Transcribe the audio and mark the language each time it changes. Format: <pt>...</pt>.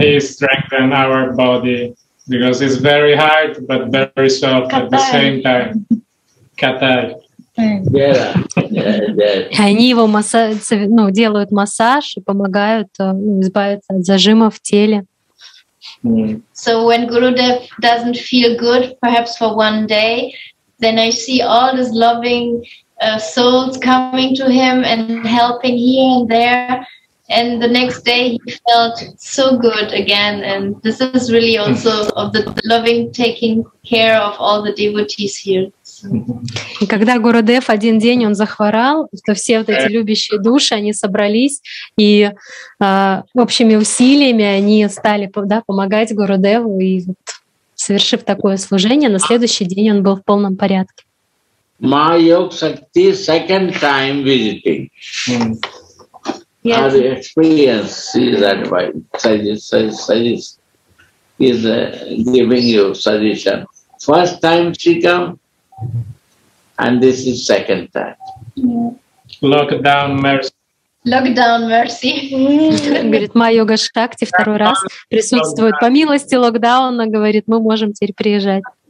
<en>he strengthens our body because it's very hard but very soft at the same time. Katai. Yeah.</en> <ru>Они его делают массаж и помогают избавиться от зажимов в теле.</ru> <en>So when Gurudev doesn't feel good, perhaps for one day, then I see all these loving souls coming to him and helping here and there. And the next day he felt so good again. And this is really also of the loving taking care of all the devotees here.</en> <ru>И когда Гурудев один день он захворал, то все вот эти любящие души, они собрались и общими усилиями они стали помогать Гурудеву, и вот, совершив такое служение, на следующий день он был в полном порядке.</ru> <en>Майя-йог-сакти second time visiting. Yes. Our experience is advice, giving you suggestion. First time she come, and this is second time. Lockdown mercy. Lockdown mercy.</en> <ru>Говорит, Майога Шакти второй раз присутствует. По милости локдауна, говорит, мы можем теперь приезжать.</ru>